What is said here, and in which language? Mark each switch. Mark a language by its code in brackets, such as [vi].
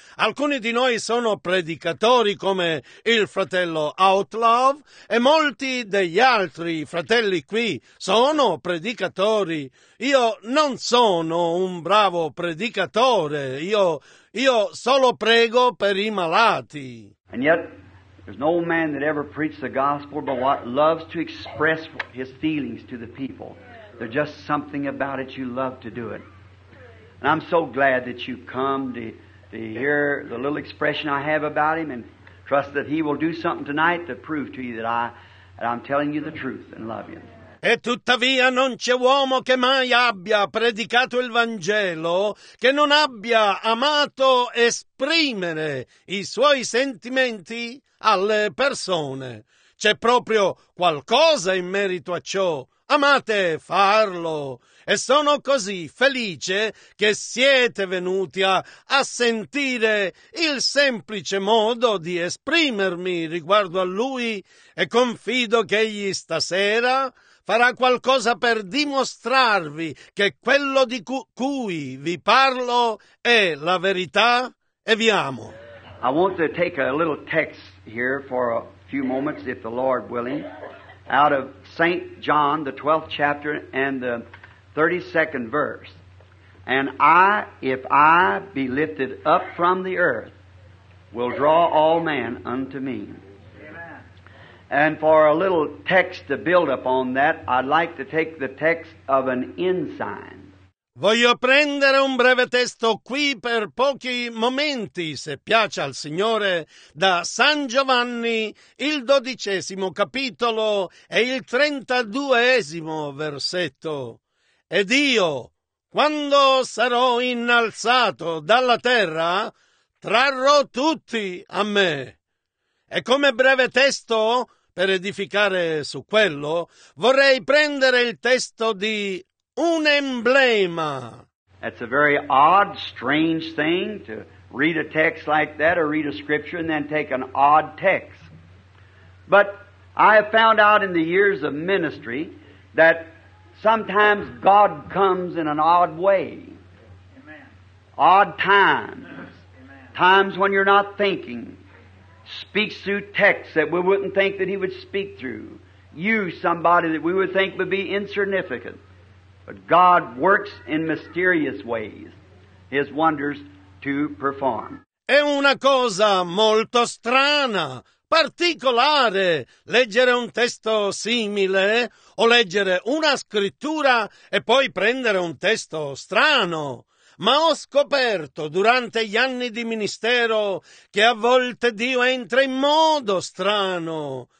[it] Alcuni di noi sono predicatori come il fratello Outlaw e molti degli altri fratelli qui sono predicatori. Io non sono un bravo predicatore. Io solo prego per i malati. [en] And yet there's no man that ever preached the gospel but what loves to express his feelings to the people. There's just something about it, you love to do it. And I'm so glad that you come to hear the little expression I have about him, and trust that he will do something tonight to prove to you that I'm telling you the truth and love you. [it] E tuttavia non c'è uomo che mai abbia predicato il Vangelo che non abbia amato esprimere i suoi sentimenti alle persone. C'è proprio qualcosa in merito a ciò. Amate farlo. E sono così felice che siete venuti a sentire il semplice modo di esprimermi riguardo a lui e confido che egli stasera farà qualcosa per dimostrarvi che quello di cui vi parlo è la verità e vi amo. [en] I want to take a little text here for a few moments, if the Lord willing, out of St. John, the 12th chapter and the 32nd verse. And I, if I be lifted up from the earth, will draw all men unto me. And for a little text to build upon that, I'd like to take the text of an ensign. [it] Voglio prendere un breve testo qui per pochi momenti, se piace al Signore, da San Giovanni, il 12° capitolo e il 32° versetto. Ed io, quando sarò innalzato dalla terra, trarrò tutti a me. E come breve testo, per edificare su quello, vorrei prendere il testo di un emblema. [en] That's a very odd, strange thing to read a text like that or read a scripture and then take an odd text. But I have found out in the years of ministry that sometimes God comes in an odd way. Amen. Odd times. Amen. Times when you're not thinking. Speaks through texts that we wouldn't think that he would speak through. Use somebody that we would think would be insignificant. But God works in mysterious ways, his wonders to perform. [it] È una cosa molto strana, particolare, leggere un testo simile o leggere una scrittura e poi prendere un testo strano. Ma ho scoperto durante gli anni di ministero che a volte Dio entra in modo strano.